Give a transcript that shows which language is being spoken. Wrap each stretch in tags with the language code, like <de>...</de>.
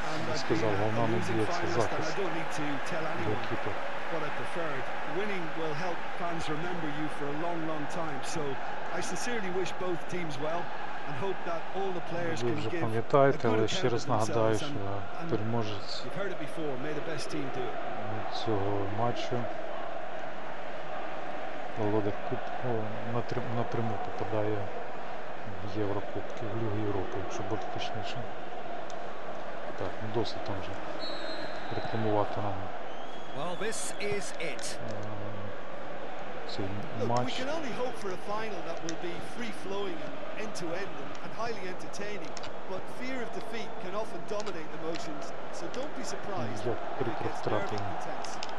<uk>Я сказав, головна надія — це захист для екіпи.</uk> <en>What I preferred. Winning will help fans remember you for a long, long time. So I sincerely wish both teams well and hope that all the players can give a good account of themselves. And you've heard it before, may the best team do it.</en> <uk>Цього матчу володар кубку напряму попадає в Єврокубки, в Лігу Європи, щоб бути точніше. Так, ну досить там вже рекламувати нам.</uk> <en>Well, this is it. Look, we can only hope for a final that will be free-flowing and end-to-end and highly entertaining. But fear of defeat can often dominate emotions, so don't be surprised if it gets terribly intense.</en>